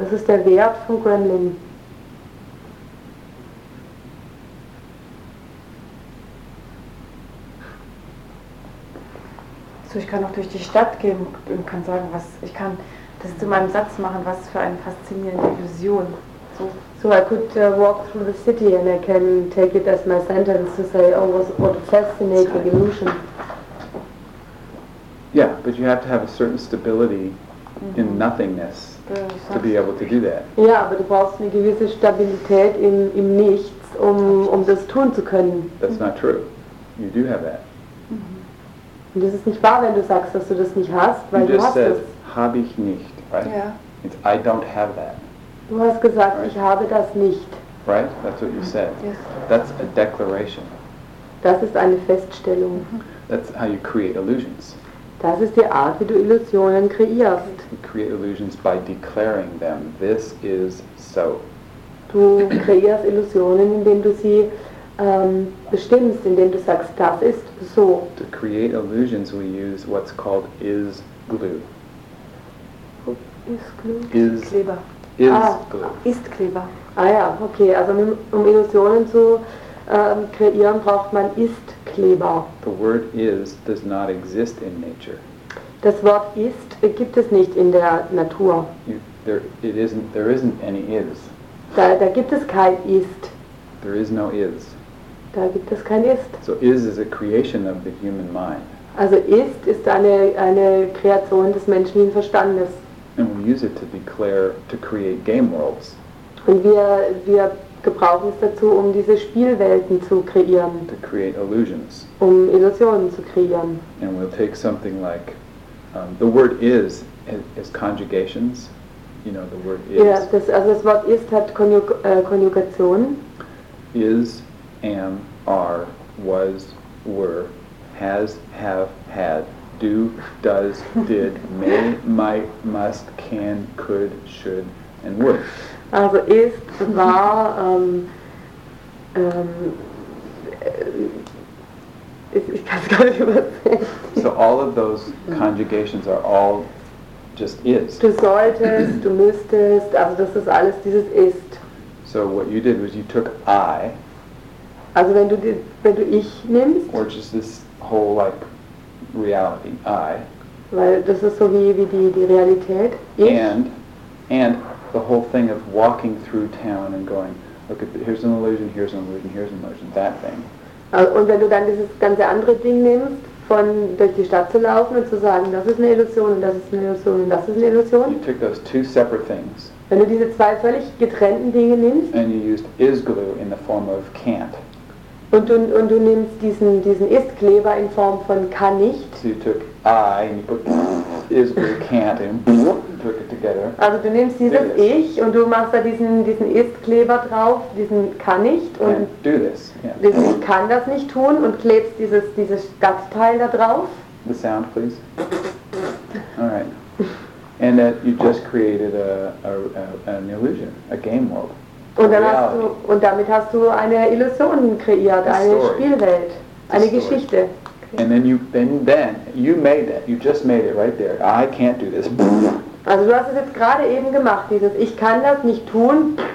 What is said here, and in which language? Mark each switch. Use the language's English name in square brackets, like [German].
[German] Das ist der Wert vom Gremlin. So, ich kann auch durch die Stadt gehen und kann sagen, was ich kann das zu meinem Satz machen, was für eine faszinierende Illusion. [English] So I could walk through the city and I can take it as my sentence to say, oh, what a fascinating illusion. Yeah, but you have to have a certain stability in nothingness to be able to do that. [German] Ja, aber du brauchst eine gewisse Stabilität im Nichts, um das tun zu können. [English] That's not true. You do have that. [German] Und das ist nicht wahr, wenn du sagst, dass du das nicht hast, weil du hast es. Habe ich nicht, [English] right? Yeah. It's I don't have that. [German] Du hast gesagt, [English] right? [German] Ich habe das nicht. [English] Right? That's what you said. Yes. That's a declaration. [German] Das ist eine Feststellung. [English] That's how you create illusions. [German] Das ist die Art, wie du Illusionen kreierst. [English] You create illusions by declaring them. This is so. [German] Du kreierst Illusionen, indem du sie bestimmst, indem du sagst, das ist so. [English] To create illusions, we use what's called is glue. Oh, is glue? Is [German] Kleber. [English] Is glue. [German] Ist Kleber. Ah ja, okay. Also um Illusionen zu kreieren, braucht man ist Kleber. [English] The word is does not exist in nature. [German] Das Wort ist gibt es nicht in der Natur. [English] There isn't any is. [German] Da gibt es kein ist. [English] There is no is. [German] Da gibt es kein Ist. [English] So is a creation of the human mind. [German] Also ist eine Kreation des menschlichen Verstandes. [English] And we use it to declare to create game worlds. [German] Und wir gebrauchen es dazu, um diese Spielwelten zu kreieren. [English] To create illusions. [German] Um Illusionen zu kreieren. [English] And we'll take something like the word is has conjugations. You know, the word is. [German] Ja, das Wort ist hat Konjugationen. [English] Is, am, are, was, were, has, have, had, do, does, did, may, might, must, can, could, should, and would. [German] Also ist, war, ich kann es gar nicht übersetzen. [English] So all of those conjugations are all just is. [German] Du solltest, du müsstest, also das ist alles dieses ist. [English] So what you did was you took I. [German] Also wenn du ich nimmst. [English] Or just this whole like reality, I. [German] Weil das ist so wie die Realität, ich. [English] And the whole thing of walking through town and going, look, here's an illusion, here's an illusion, here's an illusion, that thing. [German] Und wenn du dann dieses ganze andere Ding nimmst, von durch die Stadt zu laufen und zu sagen, das ist eine Illusion und das ist eine Illusion und das ist eine Illusion. [English] You took those two separate things. [German] Wenn du diese zwei völlig getrennten Dinge nimmst. [English] And you used is-glue in the form of can't. [German] Und du nimmst diesen Ist-Kleber in Form von kann nicht. [English] So you took I and you put is-glue can't and took it together. [German] Also du nimmst dieses Ich und du machst da diesen Ist-Kleber drauf, diesen kann nicht und [English] do this. Yeah. [German] Dieses ich kann das nicht tun und klebst dieses Stadtteil da drauf. [English] The sound, please. All right. And that you just created an illusion, a game world. [German] Und damit hast du eine Illusion kreiert, eine Spielwelt, eine Geschichte. [English] And then you made that. You just made it right there. I can't do this. [German] Also du hast es jetzt gerade eben gemacht, dieses ich kann das nicht tun.